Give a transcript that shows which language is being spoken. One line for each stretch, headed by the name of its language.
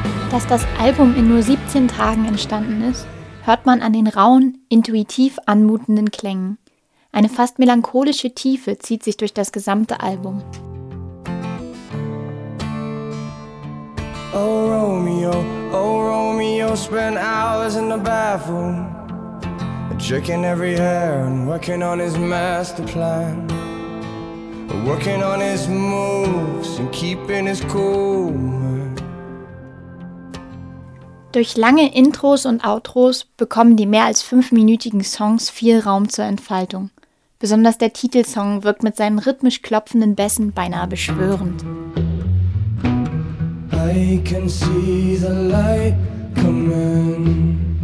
German: Dass das Album in nur 17 Tagen entstanden ist, hört man an den rauen, intuitiv anmutenden Klängen. Eine fast melancholische Tiefe zieht sich durch das gesamte Album.
English: Oh Romeo, oh Romeo, spent hours in the bathroom, checking every hair and working on his master plan, working on his moves and keeping his cool.
German: Durch lange Intros und Outros bekommen die mehr als 5-minütigen Songs viel Raum zur Entfaltung. Besonders der Titelsong wirkt mit seinen rhythmisch klopfenden Bässen beinahe beschwörend.
English: I can see the light coming.